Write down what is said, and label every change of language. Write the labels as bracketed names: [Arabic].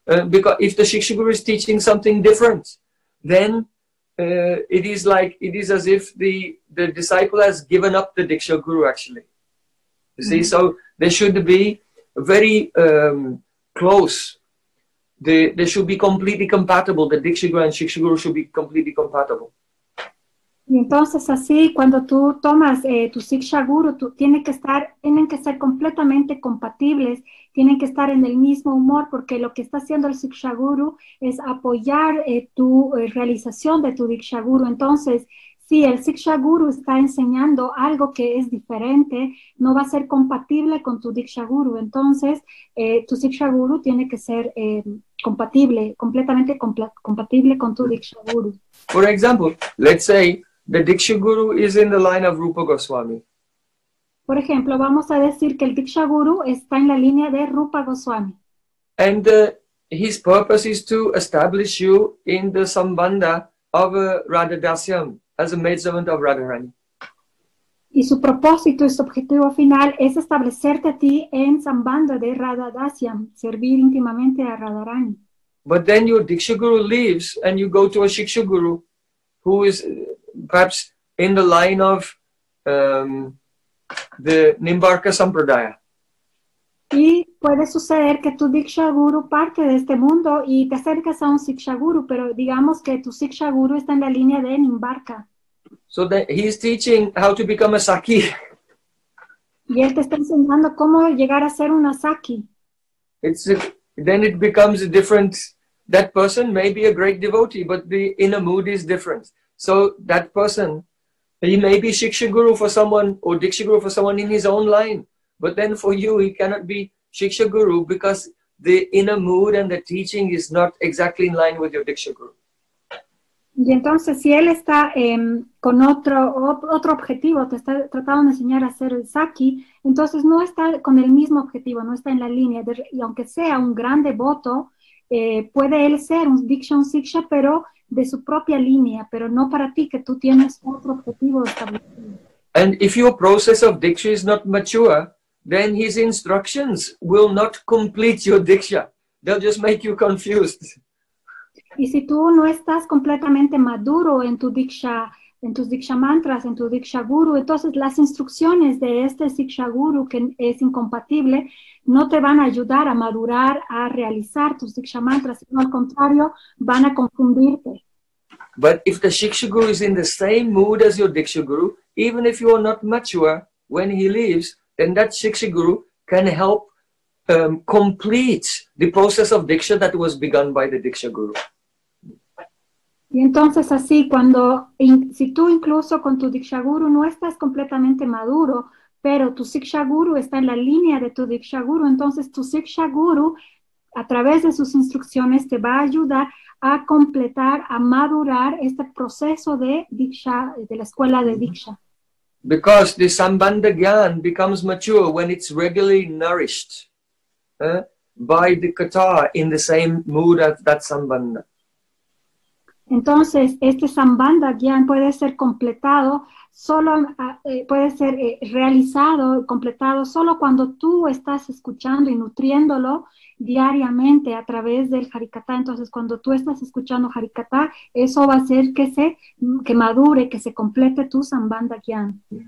[English] Because if the Shiksha Guru is teaching something different, then it is as if the disciple has given up the Diksha Guru, actually. You see, mm-hmm. So they should be very close. They should be completely compatible. The Diksha Guru and Shiksha Guru should be completely compatible. [Spanish] Y entonces así, cuando tú tomas tu Shiksha Guru, tienen que ser completamente compatibles, tienen que estar en el mismo humor, porque lo que está haciendo el Shiksha Guru es apoyar tu realización de tu Diksha Guru. Entonces, si el Shiksha Guru está enseñando algo que es diferente, no va a ser compatible con tu Diksha Guru. Entonces, tu Shiksha Guru tiene que ser compatible, completamente compatible con tu Diksha Guru. [English] For example, let's say the Diksha Guru is in the line of Rupa Goswami. [Spanish] Por ejemplo, vamos a decir que el Diksha Guru está en la línea de Rupa Goswami. [English] And his purpose is to establish you in the Sambandha of Radha Dasyam as a maidservant of Radharani. [Spanish] Y su propósito y su objetivo final es establecerte a ti en Sambandha de Radhadasyam, servir íntimamente a Radharani. [English] But then your Diksha Guru leaves and you go to a Shiksha Guru who is perhaps in the line of the Nimbarka Sampradaya. [Spanish] Y puede suceder que tu Diksha Guru parte de este mundo y te acercas a un Siksha Guru, pero digamos que tu Siksha Guru está en la línea de Nimbarka. [English] So that he is teaching how to become a Sakhi. [Spanish] Y él te está enseñando cómo llegar a ser una Sakhi. [English] Then it becomes a different, that person may be a great devotee, but the inner mood is different. So that person, he may be Shiksha Guru for someone or Diksha Guru for someone in his own line. But then for you, he cannot be Shiksha Guru because the inner mood and the teaching is not exactly in line with your Diksha Guru. [Spanish] Y entonces, si él está con otro objetivo, te está tratando de enseñar a ser el Sakhi, entonces no está con el mismo objetivo, no está en la línea. Y aunque sea un gran devoto, puede él ser un Diksha, un Siksha, pero de su propia línea, pero no para ti, que tú tienes otro objetivo establecido. [English] And if your process of Diksha is not mature, then his instructions will not complete your Diksha. They'll just make you confused. [Spanish] Y si tú no estás completamente maduro en tu Diksha, en tus Diksha mantras, en tu Diksha Guru, entonces las instrucciones de este Siksha Guru, que es incompatible, no te van a ayudar a madurar, a realizar tus Diksha mantras, sino al contrario, van a confundirte. [English] But if the Siksha Guru is in the same mood as your Diksha Guru, even if you are not mature when he leaves, then that Siksha Guru can help complete the process of Diksha that was begun by the Diksha Guru. [Spanish] Y entonces así, cuando, si tú incluso con tu Diksha Guru no estás completamente maduro, pero tu Siksha Guru está en la línea de tu Diksha Guru, entonces tu Siksha Guru, a través de sus instrucciones, te va a ayudar a completar, a madurar este proceso de Diksha, de la escuela de Diksha. [English] Because the Sambandha Gyan becomes mature when it's regularly nourished by the Katha in the same mood as that Sambandha. [Spanish] Entonces, este Sambandha Gyan puede ser completado, solo puede ser realizado, completado, solo cuando tú estás escuchando y nutriéndolo diariamente a través del Harikatha. Entonces, cuando tú estás escuchando Harikatha, eso va a hacer que se que madure, que se complete tu Sambandha Gyan.